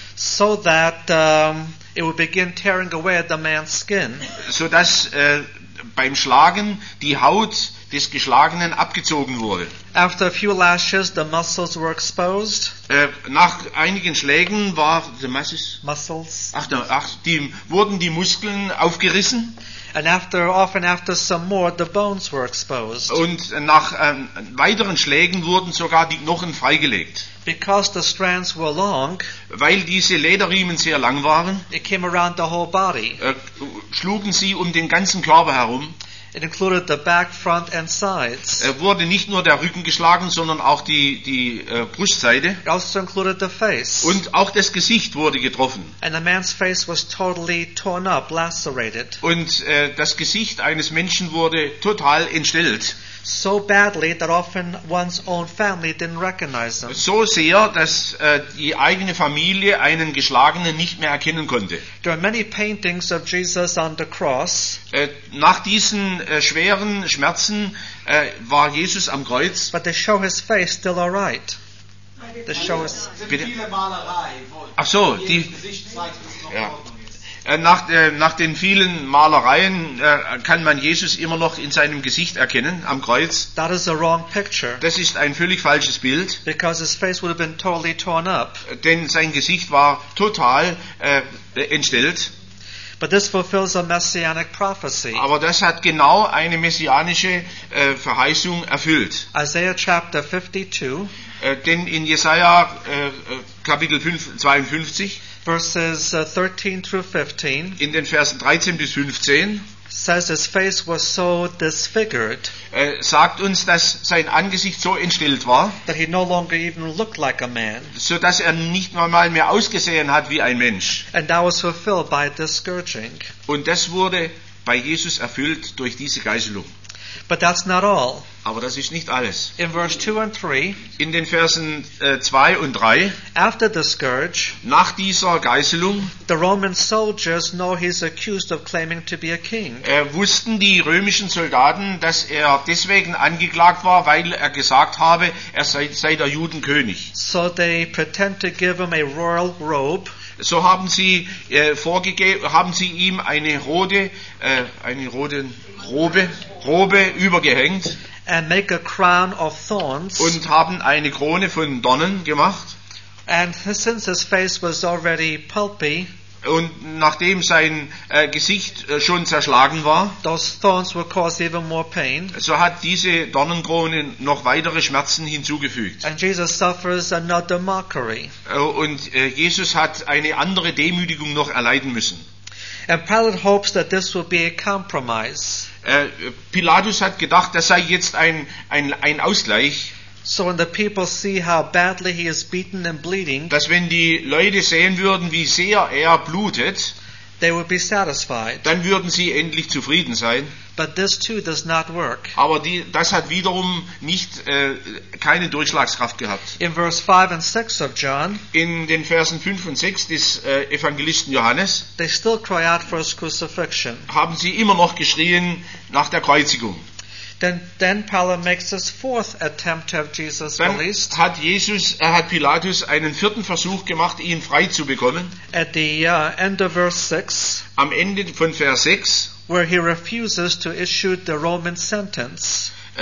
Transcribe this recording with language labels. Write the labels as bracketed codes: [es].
[en] So that it would begin tearing away at the man's skin. [de] So dass beim Schlagen die Haut des Geschlagenen abgezogen wurde. [en] After a few lashes, the muscles were exposed. [de] Nach einigen Schlägen war the [en] muscles. [de] Wurden die Muskeln aufgerissen. [en] And after some more, the bones were exposed. [de] Und nach weiteren Schlägen wurden sogar die Knochen freigelegt. [en] Because the strands were long, [de] weil diese Lederriemen sehr lang waren, [en] it came around the whole body. [de] Schlugen sie um den ganzen Körper herum. [en] It included the back, front and sides. [de] Er wurde nicht nur der Rücken geschlagen, sondern auch die Brustseite. [en] It also included the face. [de] Und auch das Gesicht wurde getroffen. [en] And the man's face was totally torn up, lacerated. [de] Und das Gesicht eines Menschen wurde total entstellt. [en] So badly that often one's own family didn't recognize him. [de] So sehr, dass die eigene Familie einen Geschlagenen nicht mehr erkennen konnte. [en] There are many paintings of Jesus on the cross. [de] Nach diesen schweren Schmerzen war Jesus am Kreuz. [en] But they show his face still all right. They show his. [de] Bitte. Ach so, die. Ja. Nach den vielen Malereien kann man Jesus immer noch in seinem Gesicht erkennen, am Kreuz. [en] That is a wrong picture. [de] Das ist ein völlig falsches Bild. [en] Because his face would have been totally torn up. [de] Denn sein Gesicht war total entstellt. [en] But this fulfills a messianic prophecy. [de] Aber das hat genau eine messianische Verheißung erfüllt. [en] Isaiah chapter 52. [de] Denn in Jesaja Kapitel 52. [en] Verses 13 through 15. [de] In den Versen 13 bis 15. [en] Says his face was so disfigured. [de] Sagt uns, dass sein Angesicht so entstellt war. [en] That he no longer even looked like a man. [de] So dass er nicht mal mehr ausgesehen hat wie ein Mensch. [en] And that was fulfilled by this scourging. [de] Und das wurde bei Jesus erfüllt durch diese Geißelung. [en] But that's not all. [de] Aber das ist nicht alles. [en] In verse 2 and 3, [de] in den Versen 2 und 3, [en] after the scourge, [de] nach dieser Geißelung, [en] the Roman soldiers know he's accused of claiming to be a king. [de] Wussten die römischen Soldaten, dass er deswegen angeklagt war, weil er gesagt habe, er sei der Judenkönig. [en] So they pretend to give him a royal robe. [de] So haben sie ihm eine rote Robe übergehängt [en] and make a crown of thorns, [de] und haben eine Krone von Dornen gemacht. [en] And since his face was already pulpy, [de] und nachdem sein Gesicht schon zerschlagen war, [en] those thorns would cause even more pain, [de] so hat diese Dornenkrone noch weitere Schmerzen hinzugefügt. [en] And Jesus suffers another mockery. [de] Jesus hat eine andere Demütigung noch erleiden müssen. [en] And Pilate hopes that this will be a compromise. [de] Pilatus hat gedacht, das sei jetzt ein Ausgleich. [en] So when the people see how badly he is beaten and bleeding, [de] dass wenn die Leute sehen würden, wie sehr er blutet, [en] they would be satisfied. [de] Dann würden sie endlich zufrieden sein. [en] But this too does not work. [de] Aber das hat wiederum keine Durchschlagskraft gehabt. [en] In verse 5 and 6 of John, [de] in den Versen 5 und 6 des Evangelisten Johannes, [en] they still cry out for his crucifixion. [de] Haben sie immer noch geschrien nach der Kreuzigung. [en] Then Pilate makes his fourth attempt to have Jesus released. [de] Dann hat Pilatus einen vierten Versuch gemacht, ihn frei zu bekommen. [en] At the end of verse 6, [de] am Ende von Vers 6, [en] where he refuses to issue the Roman sentence,